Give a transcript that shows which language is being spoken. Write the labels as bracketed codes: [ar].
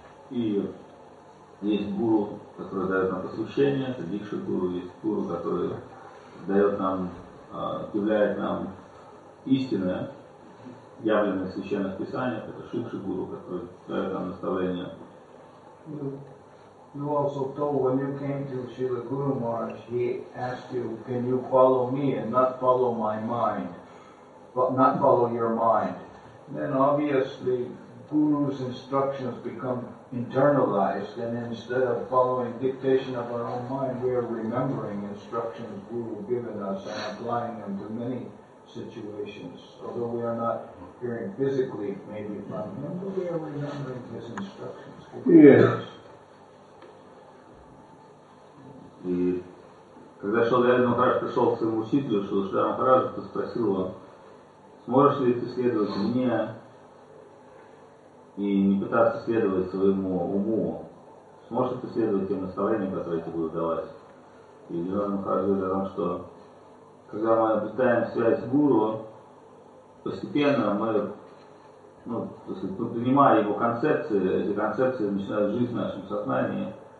[ru] И есть гуру, который дает нам посвящение, это дикша гуру, есть гуру, который дает нам, являет нам истинное, явленное в священных писаниях, это шикша гуру, который дает нам наставление. [en] You also told when you came to Srila Guru Maharaj, he asked you, can you follow me and not follow my mind, but not follow your mind? Then obviously Guru's instructions become internalized, and instead of following dictation of our own mind, we are remembering instructions Guru given us and applying them to many situations. Although we are not hearing physically maybe from him, but we are remembering his instructions. Yes. [ru] И когда Шрила Махарадж пришел к своему учителю, Шрила Махарадж, то спросил его, сможешь ли ты следовать мне и не пытаться следовать своему уму, сможешь ли ты следовать тем наставлениям, которые я тебе буду давать? И Шрила Махарадж говорит о том, что когда мы обретаем связь с гуру, постепенно мы принимая его концепции, эти концепции начинают жить в нашем сознании.